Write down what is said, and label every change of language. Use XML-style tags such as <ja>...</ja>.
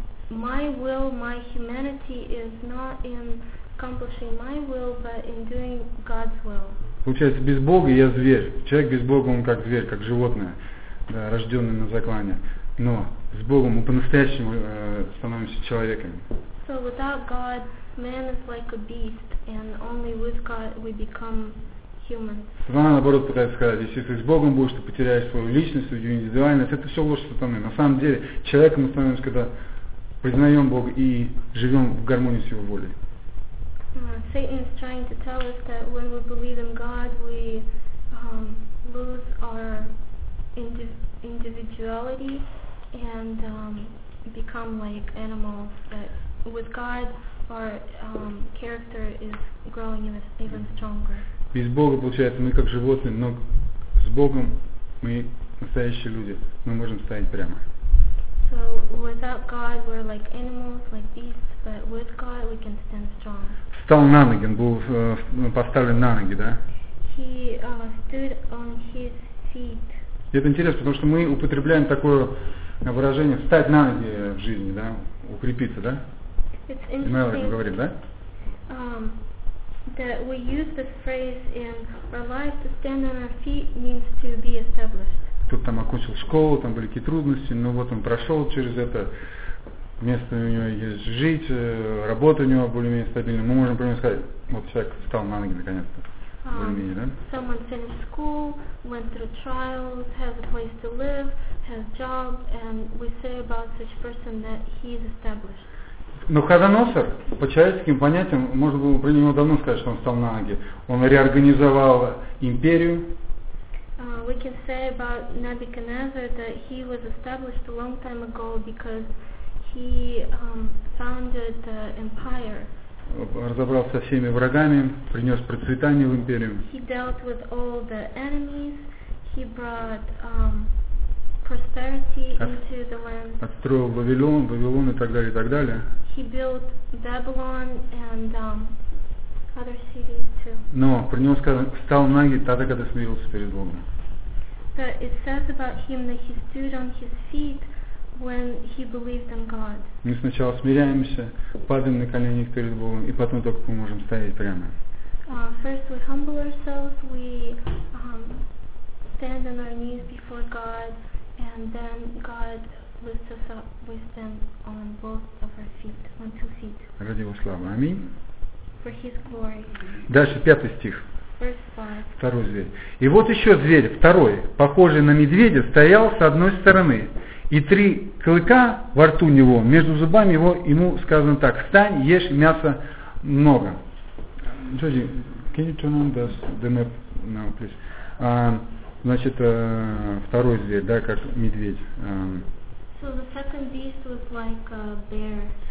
<en>My will, my humanity is not in accomplishing my will, but in doing God's will.</en> <ru>Получается, без Бога я зверь. Человек без Бога, он как зверь, как животное, да, рожденное на заклане. Но с Богом мы по-настоящему становимся человеками.</ru> <en>So without God, man is like a beast, and only with God we become human.</en> <ru>Сатана, наоборот, пытается сказать, если ты с Богом будешь, ты потеряешь свою личность, свою индивидуальность. Это все ложь сатаны. На самом деле, человеком мы становимся, когда признаем Бога и живем в гармонии с Его волей.</ru> <en>Satan is trying to tell us that when we believe in God, we lose our individuality and become like animals. But with God, our character is growing even stronger.</en> <ru>Без Бога, получается, мы как животные, но с Богом мы настоящие люди. Мы можем стоять прямо.</ru> <en>So without God, we're like animals, like beasts. But with God, we can stand strong.</en> <ru>Встал на ноги, он был поставлен на ноги, да?</ru> <en>He stood on his feet.</en> <ru>И это интересно, потому что мы употребляем такое выражение «встать на ноги в жизни», да, укрепиться, да?</ru> <en>It's interesting.</en> <ru>Мы говорим, да?</ru> <en>That we use this phrase in our life, to stand on our feet means to be established.</en> <ru>Кто-то там окончил школу, там были какие-то трудности, но вот он прошел через это, место у него есть жить, работа у него более-менее стабильная. Мы можем, например, сказать, вот человек встал на ноги наконец-то.</ru> <en>Someone finished school, went through trials, has a place to live, has a job, and we say about such person that he is established.</en> <ru>Но Ходоносор, по человеческим понятиям, можно было про него давно сказать, что он встал на ноги. Он реорганизовал империю.</ru> <en>We can say about Nebuchadnezzar that he was established a long time ago because he founded the empire.</en> <ru>Разобрался со всеми врагами, принес процветание в империю.</ru> <en>He dealt with all the enemies, he brought prosperity into the land.</en> <ru>Отстроил Вавилон и так далее, и так далее.</ru> <en>He built Babylon and other cities too.</en> <ru>Но про него сказано, встал на ноги тогда, когда смирился перед Богом.</ru> <en>But it says about him that he stood on his feet when he believed in God.</en> <ru>Мы сначала смиряемся, падаем на колени перед Богом, и потом только мы можем стоять прямо.</ru> <en>First we humble ourselves, we stand on our knees before God, and then God lifts us up. We stand on both of our feet, on two feet.</en> <ru>Ради Его славы. Аминь.</ru> <en>For His glory.</en> <ru>Дальше, пятый стих.</ru> <en>Verse 5.</en> <ru>Второй зверь. И вот еще зверь, второй, похожий на медведя, стоял с одной стороны. И три клыка во рту него, между зубами его, ему сказано так: встань, ешь мясо много.</ru> <en>Джоди, can you turn on the map now, please?</en> <ru>Значит, второй зверь, да, как медведь.</ru> <en>So the second beast was like a bear.</en>